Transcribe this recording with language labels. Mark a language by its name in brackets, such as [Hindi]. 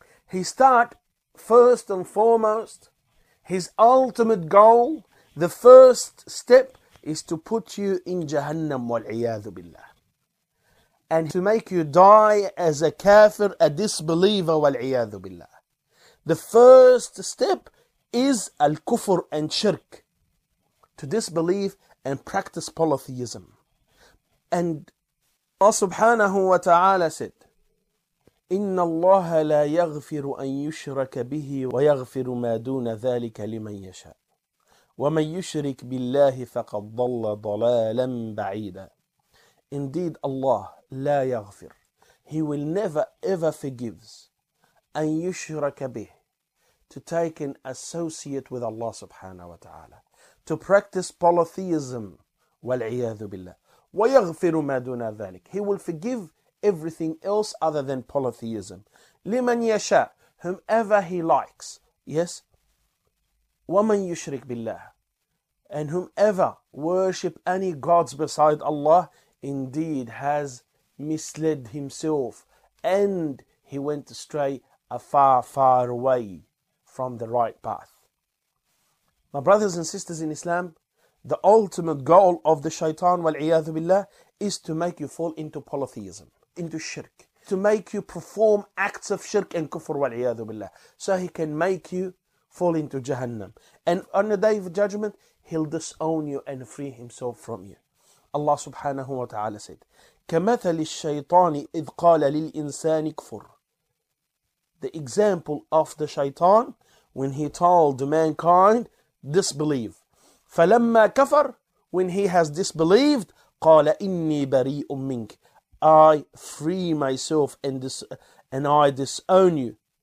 [English] He starts first and foremost, his ultimate goal, the first step, is to put you in Jahannam wal-iyadhu billah, and to make you die as a kafir, a disbeliever, wal-iyadhu billah. The first step is al-kufr and shirk, to disbelieve and practice polytheism. And Allah subhanahu wa ta'ala said, [Arabic] إِنَّ اللَّهَ لَا يَغْفِرُ أَن يُشْرَكَ بِهِ وَيَغْفِرُ مَا دُونَ ذَلِكَ لِمَن يَشَاءُ وَمَن يُشْرِكْ بِاللَّهِ فَقَدْ ضَلَّ ضَلَالًا بَعِيدًا. [English] Indeed, Allah, [Arabic] لا يغفر. [English] He will never ever forgives. [Arabic] أن يشرك به. [English] To take an associate with Allah subhanahu wa ta'ala. To practice polytheism. [Arabic] والعياذ بالله. ويغفر ما دون ذلك. [English] He will forgive everything else other than polytheism. [Arabic] لمن يشاء. [English] Whomever he likes. Yes. [Arabic] ومن يشرك بالله. [English] And whomever worship any gods beside Allah indeed has misled himself, and he went astray afar, far away from the right path. My brothers and sisters in Islam, the ultimate goal of the shaitan, wal-iyadhu billah, is to make you fall into polytheism, into shirk, to make you perform acts of shirk and kufr, wal-iyadhu billah, so he can make you fall into Jahannam. And on the day of judgment, he'll disown you and free himself from you. [Arabic] Allah subhanahu wa ta'ala said, كَمَثَلِ الشَّيْطَانِ إِذْ قَالَ لِلْإِنسَانِ كفر. [English] The example of the shaitan when he told mankind, disbelieve. [Arabic] فَلَمَّا كَفَرْ, [English] when he has disbelieved, [Arabic] قَالَ إِنِّي بَرِيءٌ مِّنْكَ, [English] I free myself and I disown you.